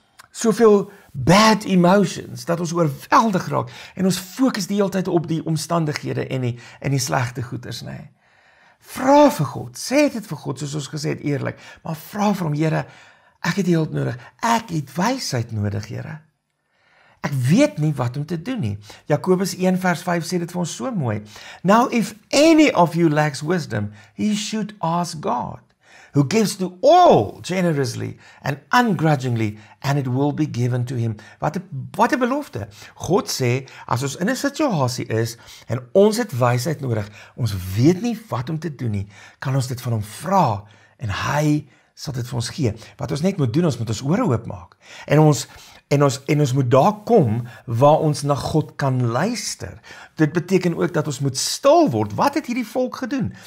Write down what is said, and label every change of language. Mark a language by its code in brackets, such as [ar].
[af] Soveel [en] bad emotions, [af] dat ons oorweldig raak, en ons fokus die hele tyd op die omstandighede en die slegte goeders, nê. Vra vir God, sê dit vir God, soos ons gesê het eerlik, maar vra vir hom, Here, ek het hulp nodig, ek het wysheid nodig, Here. Ek weet nie wat om te doen nie. Jakobus 1 vers 5 sê dit vir ons so mooi. [en] Now if any of you lacks wisdom, he should ask God, who gives to all generously and ungrudgingly, and it will be given to him. [af] Wat 'n belofte. God sê, as ons in 'n situasie is, en ons het wysheid nodig, ons weet nie wat om te doen nie, kan ons dit van hom vra, en hy sal dit vir ons gee. Wat ons net moet doen, ons moet ons ore oop maak. En ons moet daar kom waar ons na God kan luister. Dit beteken ook dat ons moet stil word. Wat het hierdie volk gedoen?